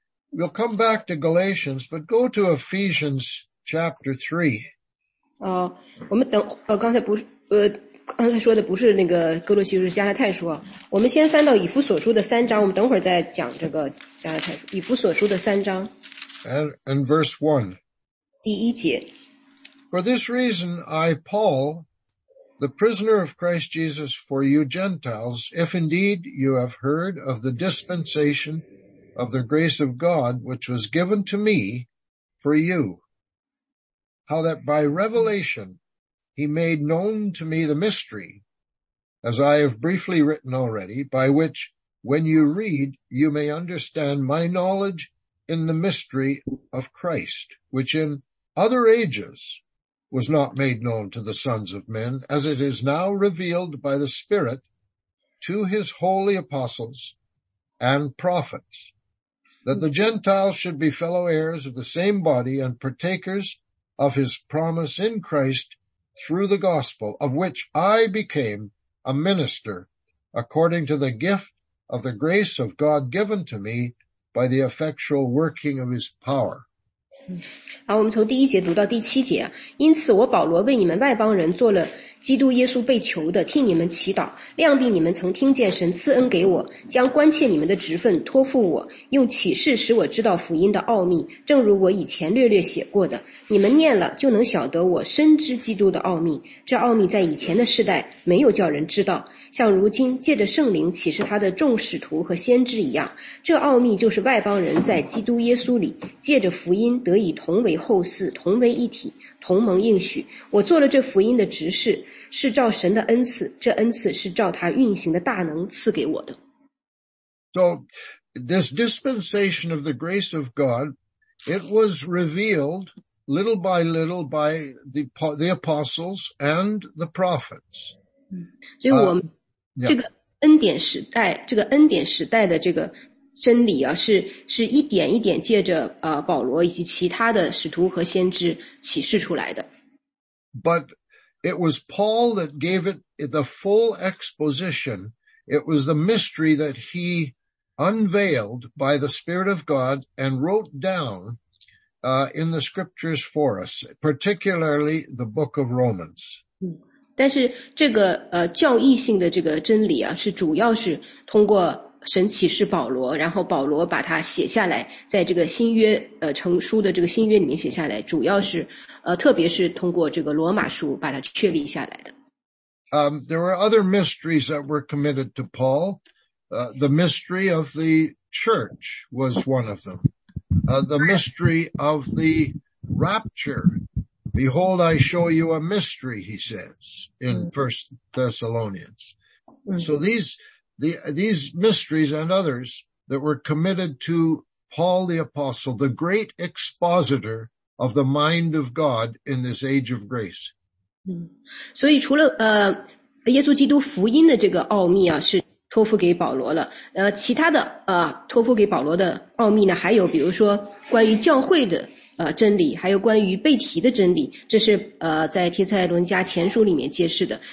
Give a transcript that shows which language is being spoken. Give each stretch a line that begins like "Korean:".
English: We'll come back to Galatians, but go to Ephesians chapter 3.
Chinese: 我们等刚才说的不是那个哥罗西书，是加拉太书。我们先翻到以弗所书的三章，我们等会儿再讲这个加拉太书。以弗所书的三章。
English: And verse 1.
Chinese: 第一节。
English: For this reason, I, Paul, the prisoner of Christ Jesus for you Gentiles, if indeed you have heard of the dispensation of the grace of God, which was given to me for you. How that by revelation he made known to me the mystery, as I have briefly written already, by which, when you read, you may understand my knowledge in the mystery of Christ, which in other ages was not made known to the sons of men, as it is now revealed by the Spirit to his holy apostles and prophets, that the Gentiles should be fellow heirs of the same body and partakers of his promise in Christ through the gospel, of which I became a minister according to the gift of the grace of God given to me by the effectual working of his power.
Chinese: 好，我们从第一节读到第七节，因此我保罗为你们外邦人做了基督耶稣被囚的替你们祈祷，量毕你们曾听见神赐恩给我，将关切你们的职分托付我，用启示使我知道福音的奥秘，正如我以前略略写过的，你们念了就能晓得我深知基督的奥秘，这奥秘在以前的世代没有叫人知道，像如今借着圣灵启示他的众使徒和先知一样，这奥秘就是外邦人在基督耶稣里借着福音得以同为后嗣，同为一体，同盟应许。我做了这福音的执事，是照神的恩赐，这恩赐是照他运行的大能赐给我的。
English: So this dispensation of the grace of God, it was revealed little by little by the apostles and the prophets.
Chinese: 所以我们这个恩典时代、这个恩典时代的这个真理啊，是一点一点借着保罗以及其他的使徒和先知启示出来的。
English: ButIt was Paul that gave it the full exposition. It was the mystery that he unveiled by the Spirit of God and wrote down, in the scriptures for us, particularly the book of Romans.
Chinese: 但是这个教义性的这个真理啊，是主要是通过神启示保罗，然后保罗把它写下来，在这个新约成书的这个新约里面写下来，主要是特别是通过这个罗马书把它确立下来的。
English: There were other mysteries that were committed to Paul. The mystery of the church was one of them. The mystery of the rapture. Behold, I show you a mystery, he says in 1 Thessalonians. So these mysteries and others that were committed to Paul the Apostle, the great expositor of the mind of God in this age of grace.
Chinese: 所以除了耶稣基督福音的这个奥秘啊，是托付给保罗了。其他的托付给保罗的奥秘呢，还有比如说关于教会的真理，还有关于被提的真理，这是在帖撒罗尼迦前书里面揭示的。